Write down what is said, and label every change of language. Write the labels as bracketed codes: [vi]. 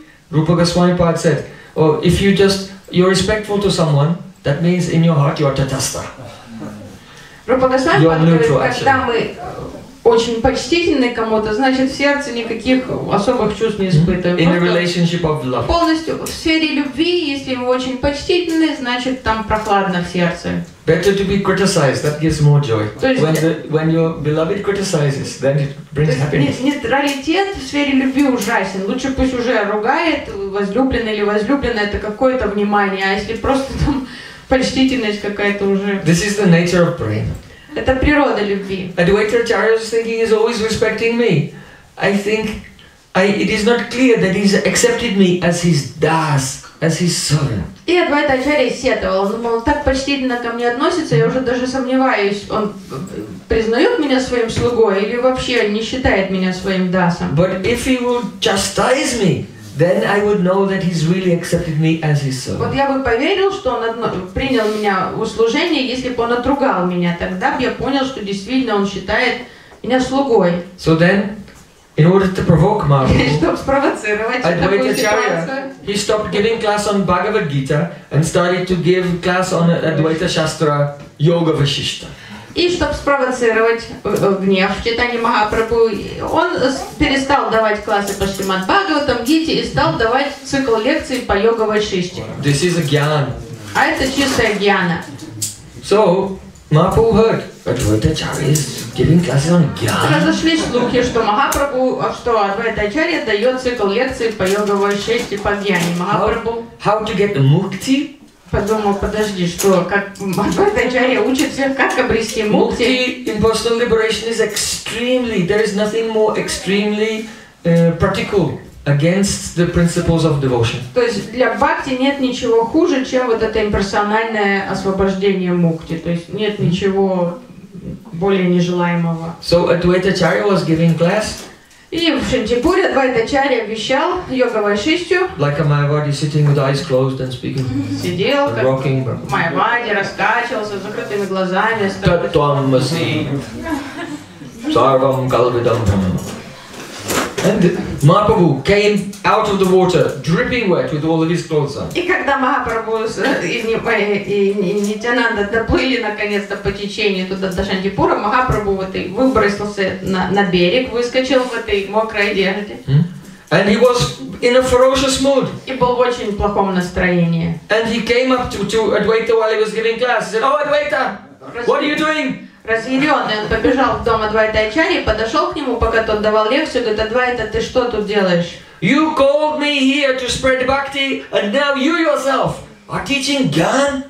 [en] Rupa Goswami Pad said, oh, if you just, you're respectful to someone, that means in your heart you're tatastha. [ru] Rupa Goswami Pad, когда мы очень почтительный кому-то, значит, в сердце никаких особых чувств не испытывает. [en] In a relationship of love. [ru] Полностью в сфере любви, если вы очень почтительны, значит, там прохладно в сердце. [en] Better to be criticized, that gives more joy. When your beloved criticizes, then it brings happiness. [ru] Нейтралитет в сфере любви ужасен. Лучше пусть уже ругает возлюбленный или возлюбленная, это какое-то внимание. А если просто там почтительность какая-то уже... [en] This is the nature of brain. [ru] Это природа любви. [en] Advaita Acharya is thinking he's always respecting me. It is not clear that he's accepted me as his das, as his servant. [ru] И Адвайта Ачарья сетовал, он так почтительно ко мне относится, я уже даже сомневаюсь, он признает меня своим слугой или вообще не считает меня своим дасом. [en] But if he will chastise me, then I would know that he's really accepted me as his servant. [ru] Вот я бы поверил, что он принял меня в услужение, если бы он отругал меня, тогда бы я понял, что действительно он считает меня слугой. [en] So then, in order to provoke Mahaprabhu, [ru] чтобы спровоцировать такую ситуацию, [en] he stopped giving class on Bhagavad Gita and started to give class on Advaita Shastra Yoga Vashishta. [ru] И чтобы спровоцировать гнев в читании Махапрабху, он перестал давать классы по Шримад Бхагаватам, Гите, и стал давать цикл лекций по йога Вайшиште. [en] This is a gyan. [ru] А это чистая гьяна. [en] So, Mahaprabhu heard, Advaita Acharya is giving classes on gyan. [ru] Разошлись слухи, что Махапрабху, что Адвайта Ачарья дает цикл лекций по йога Вайшиште, по гьяне Махапрабху. [en] How to get the mukti? [ru] Подумал, подожди, что как Адвайта Ачарья учит всех, как обрести мукти? [en] Мукти in personal liberation is extremely, there is nothing more extremely practical against the principles of devotion. [ru] То есть для бхакти нет ничего хуже, чем вот это имперсональное освобождение мукти. То есть нет ничего более нежелаемого. [en] So Advaita Acharya was giving class. [ru] И в Шантипуре Адвайта Ачарья вещал йога Вайшистью. [en] Like a Mayavadi sitting with eyes closed and speaking. [ru] Сидел, как [en] rocking, [ru] Mayavadi, раскачивался с закрытыми глазами. [sa] Таттуаммаси. Сарвам калвидам. [en] And Mahaprabhu came out of the water, dripping wet with all of his clothes on. [ru] И когда Махапрабху и Нитянанда доплыли наконец-то по течению туда до Шантипура, Махапрабху вот и выбросился на берег, выскочил в этой мокрой одежде. [en] And he was in a ferocious mood. [ru] И был в очень плохом настроении. [en] And he came up to Advaita while he was giving class. He said, "Oh, Advaita, what are you doing?" [ru] Разъяренный, он побежал в дом Адвайта Ачарьи, подошел к нему, пока тот давал лекцию, говорит: «Адвайта, ты что тут делаешь?» [en] You called me here to spread bhakti, and now you yourself are teaching gyan?